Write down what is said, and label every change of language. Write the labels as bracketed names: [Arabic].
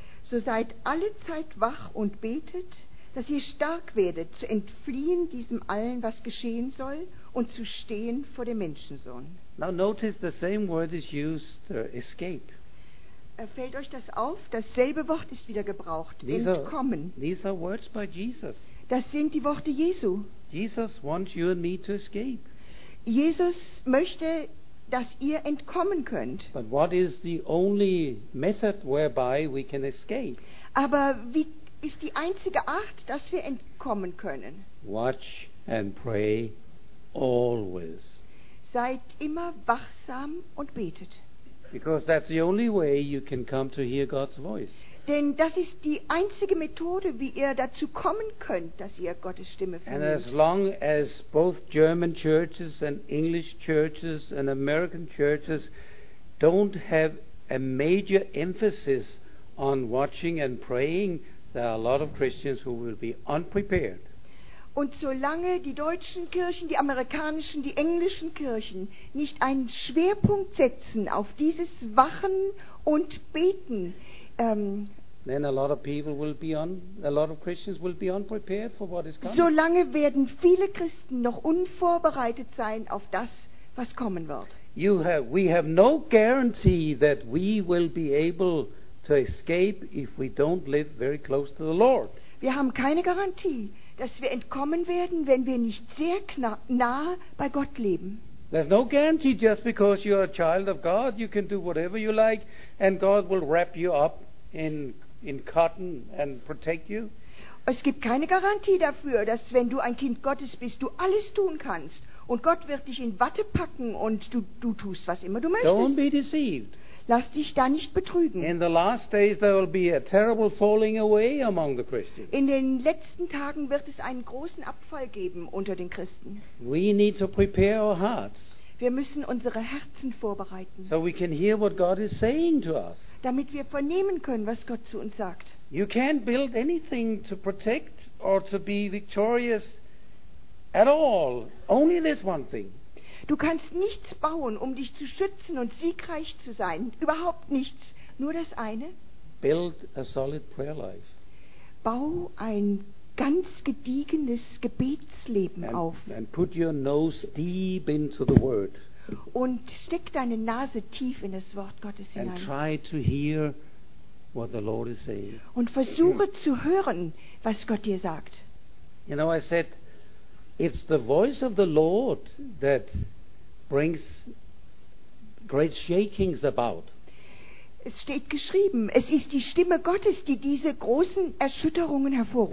[German] So seid alle Zeit wach und betet, dass ihr stark werdet, zu entfliehen diesem allen, was geschehen soll, und zu stehen vor dem Menschensohn. [English] Now notice the same word is used, escape. [German] Fällt euch das auf? Dasselbe Wort ist wieder gebraucht. Entkommen. [English] These are words by Jesus. [German] Das sind die Worte Jesu. [English] Jesus wants you and me to escape. [German] Jesus möchte, dass ihr entkommen könnt. [English] But what is the only method whereby we can escape? [German] Aber wie ist die einzige Art, dass wir entkommen können? [English] Watch and pray always. [German] Seid immer wachsam und betet. [English] Because that's the only way you can come to hear God's voice. [German] Denn das ist die einzige Methode, wie ihr dazu kommen könnt, dass ihr Gottes Stimme vernehmt. [English] And as long as both German churches and English churches and American churches don't have a major emphasis on watching and praying, there are a lot of Christians who will be unprepared. [German] Und solange die deutschen Kirchen, die amerikanischen, die englischen Kirchen nicht einen Schwerpunkt setzen auf dieses Wachen und Beten, [English] then a lot of people will be on, a lot of Christians will be unprepared for what is coming. [German] Solange werden viele Christen noch unvorbereitet sein auf das, was kommen wird. [English] We have no guarantee that we will be able to escape if we don't live very close to the Lord. [German] Wir haben keine Garantie, dass wir entkommen werden, wenn wir nicht sehr nah bei Gott leben. [English] There's no guarantee just because you are a child of God, you can do whatever you like and God will wrap you up in cotton and protect you. [German] Es gibt keine Garantie dafür, dass wenn du ein Kind Gottes bist, du alles tun kannst und Gott wird dich in Watte packen und du tust, was immer du möchtest. [English] Don't be deceived. [German] Lass dich da nicht betrügen. [English] In the last days there will be a terrible falling away among the Christians. [German] In den letzten Tagen wird es einen großen Abfall geben unter den Christen. [English] We need to prepare our hearts. [German] Wir müssen unsere Herzen vorbereiten. [English] So we can hear what God is saying to us. [German] Damit wir vernehmen können, was Gott zu uns sagt. [English] You can't build anything to protect or to be victorious at all. Only this one thing. [German] Du kannst nichts bauen, um dich zu schützen und siegreich zu sein. Überhaupt nichts. Nur das eine. [English] Build a solid prayer life. [German] Bau ein ganz gediegenes Gebetsleben auf. [English] And put your nose deep into the word. [German] Und steck deine Nase tief in das Wort Gottes hinein. [English] And try to hear what the Lord is saying. [German] Und versuche zu hören, was Gott dir sagt. [English] You know, I said, it's the voice of the Lord that brings great shakings about. [German] Es steht geschrieben, es ist die Stimme Gottes, die diese großen Erschütterungen hervorruft.